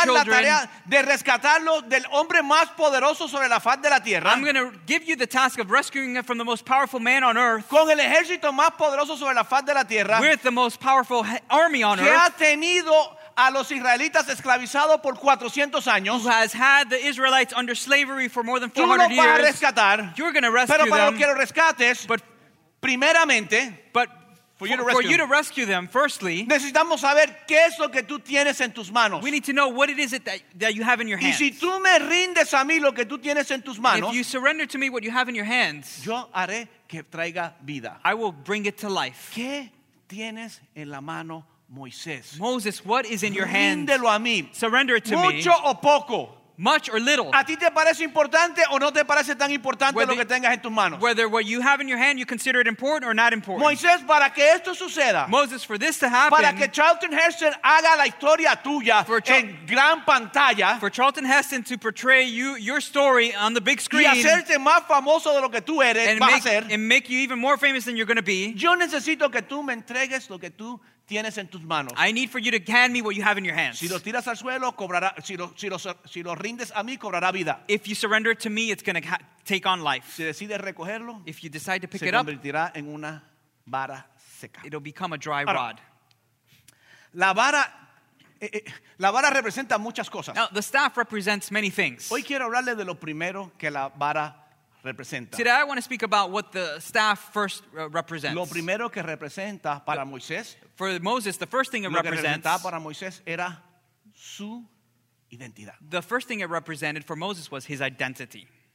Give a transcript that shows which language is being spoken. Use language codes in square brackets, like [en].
[es] Yo te voy a dar la tarea de rescatarlo del hombre más poderoso sobre la faz de la tierra. [en] I'm going to give you the task of rescuing it from the most powerful man on earth, [es] con el ejército más poderoso sobre la faz de la tierra, [en] with the most powerful army on [es] que [en] earth, [es] que ha tenido a los israelitas esclavizados por 400 años. [en] Who has had the Israelites under slavery for more than 400 years. [es] Tú los vas a rescatar. [en] You're going to rescue them. [es] Pero para los que los rescates, primeramente, [en] For you to rescue them, firstly, [es] necesitamos saber qué es lo que tú tienes en tus manos. [en] We need to know what it is that you have in your hands. [es] Y si tú me rindes a mí lo que tú tienes en tus manos, [en] if you surrender to me what you have in your hands, [es] yo haré que traiga vida. [en] I will bring it to life. [es] ¿Qué tienes en la mano, Moisés? [en] Moses, what is in your hands? [es] Ríndelo a mí. [en] Surrender it to me. [es] Mucho o poco. [en] Much or little. [es] ¿A ti te parece importante o no te parece tan importante lo que tengas en tus manos? [en] Whether what you have in your hand you consider it important or not important. [es] Moisés, para que esto suceda. [en] Moses, for this to happen. [es] Para que Charlton Heston haga la historia tuya en gran pantalla. [en] For Charlton Heston to portray you your story on the big screen. [es] Y hacerte más famoso de lo que tú eres, [en] and [es] vas [en] make, [es] a ser. [en] And make you even more famous than you're going to be. [es] Yo necesito que tú me entregues lo que tú tienes en tus manos. [en] I need for you to hand me what you have in your hands. [es] Si lo tiras al suelo, cobrará. Si lo rindes a mí, cobrará vida. [en] If you surrender it to me, it's going to take on life. [es] Si decides recogerlo, [en] if you decide to pick it up, [es] se convertirá en una vara seca. [en] It'll become a dry rod. [es] La vara representa muchas cosas. [en] Now, the staff represents many things. [es] Hoy quiero hablarle de lo primero que la vara representa. [en] Today I want to speak about what the staff first represents. [es] Lo primero que representa para Moisés. [en] For Moses, the first thing it represents. [es] Lo que representaba para Moisés era su identidad. [en] The first thing it represented for Moses was his identity.